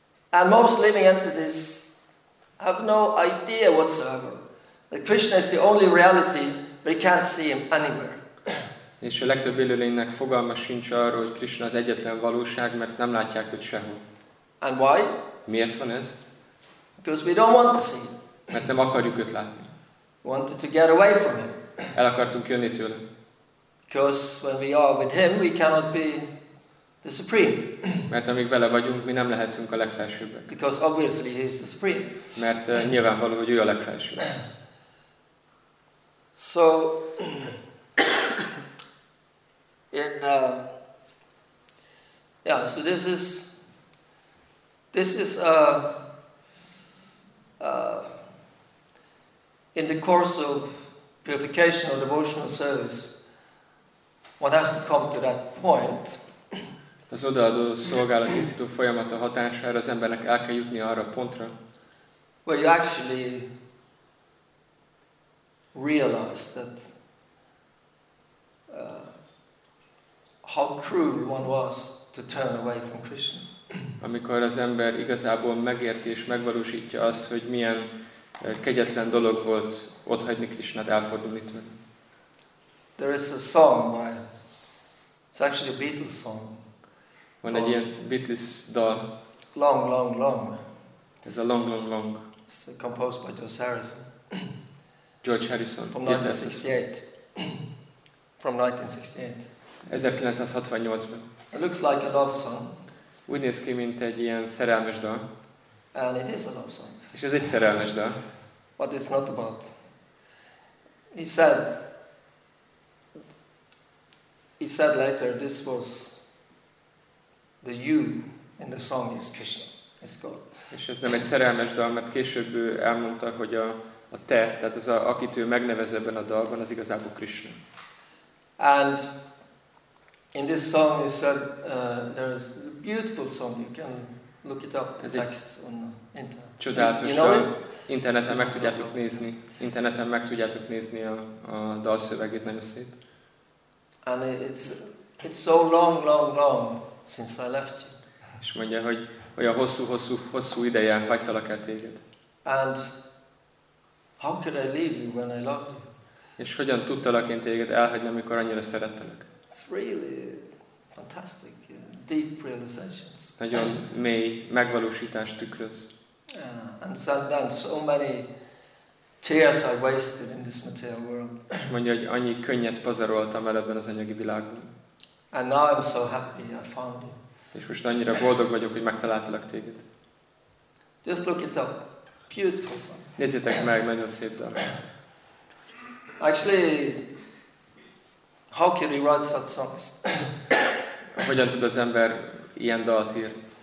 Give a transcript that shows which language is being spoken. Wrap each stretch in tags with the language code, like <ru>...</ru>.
<en>And most living entities have no idea whatsoever that Krishna is the only reality, but he can't see him anywhere.</en> <hu>És a legtöbb élőlénynek fogalma sincs arról, hogy Krishna az egyetlen valóság, mert nem látják őt sehol.</hu> <en>And why?</en> <hu>Miért van ez?</hu> <en>Because we don't want to see him.</en> <hu>Mert nem akarjuk őt látni.</hu> <en>We wanted to get away from him.</en> <hu>El akartunk jönni tőle.</hu> <en>Because when we are with him, we cannot be the supreme.</en> <hu>Mert amíg vele vagyunk, mi nem lehetünk a legfelsőbbek.</hu> <en>Because obviously he is the supreme.</en> <hu>Mert nyilvánvaló, hogy ő a legfelső.</hu> <en>So in so this is in the course of purification or devotional service, one has to come to that point.</en> <hu>Az odaadó szolgálatisztító folyamata hatására az embernek el kell jutni arra a pontra,</hu> <en>where you actually realize that how cruel one was to turn away from Krishna.</en> <hu>Amikor az ember igazából megérti és megvalósítja azt, hogy milyen kegyetlen dolog volt ott hagyni Krishnát, elfordulni tőle.</hu> <en>There is a song by, it's actually a Beatles song.</en> <hu>Van egy ilyen Beatles dal.</hu> <en>Long, long, long.</en> <hu>Ez a long, long, long.</hu> <en>It's composed by George Harrison.</en> <hu>George Harrison.</hu> <en>From 1968. From 1968.</en> <hu>1968-ban.</hu> <en>It looks like a love song.</en> <hu>Úgy néz ki, mint egy ilyen szerelmes dal.</hu> <en>And it is a love song.</en> <hu>És ez egy szerelmes dal.</hu> <en>But it's not about. He said later, this was the you And the song is Krishna. It's God.</en> <hu>És ez nem egy szerelmes dal, mert később ő elmondta, hogy a te, tehát az a, akit ő megnevez ebben a dalban, az igazából Krishna.</hu> <en>And in this song he said there is a beautiful song, you can look it up, the text on the internet.</en> <hu>Csodálatos dal.</hu> <en>You know</en> <hu>interneten meg tudjátok nézni. Interneten meg tudjátok nézni a dalszövegét, nagyon szép.</hu> <en>And it's so long, long, long since I left you.</en> <hu>És mondja, hogy olyan hosszú ideje hagytalak el téged.</hu> <en>And how could I leave you when I loved you?</en> <hu>És hogyan tudtalak én téged elhagyni, amikor annyira szerettelek?</hu> <en>It's really fantastic, deep realizations.</en> <hu>Nagyon mély megvalósítást tükröz.</hu> <en>And so then so many tears I wasted in this material world.</en> <hu>Mondja, hogy annyi könnyet pazaroltam el ebben az anyagi világban.</hu> <en>And now I'm so happy I found you.</en> <hu>És most annyira boldog vagyok, hogy megtaláltalak téged.</hu> <en>Just look it up. Beautiful song.</en> <hu>Nézzétek meg, nagyon szép dal.</hu> <en>Actually, how can he write such songs?</en> <hu>Hogyan tud az ember ilyen dalt írni?</hu>